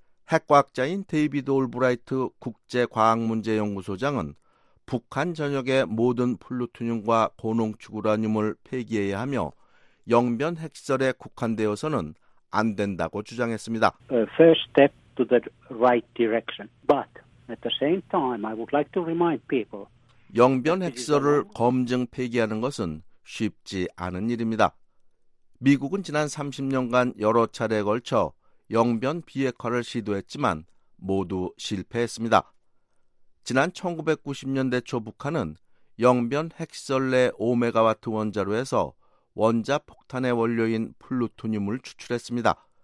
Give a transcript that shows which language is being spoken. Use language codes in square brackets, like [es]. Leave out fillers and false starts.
[ko] 핵과학자인 데이비드 올브라이트 국제과학문제연구소장은 북한 전역의 모든 플루토늄과 고농축우라늄을 폐기해야 하며 영변 핵시설에 국한되어서는 안 된다고 주장했습니다. [en] First step to the right direction. But at the same time, I would like to remind people. [ko] 영변 핵시설을 검증 폐기하는 것은 쉽지 않은 일입니다. 미국은 지난 30년간 여러 차례에 걸쳐 영변 비핵화를 시도했지만 모두 실패했습니다. 지난 1990년대 초 북한은 영변 핵시설 내 5메가와트 원자로에서 원자 폭탄의 원료인 플루토늄을 추출했습니다.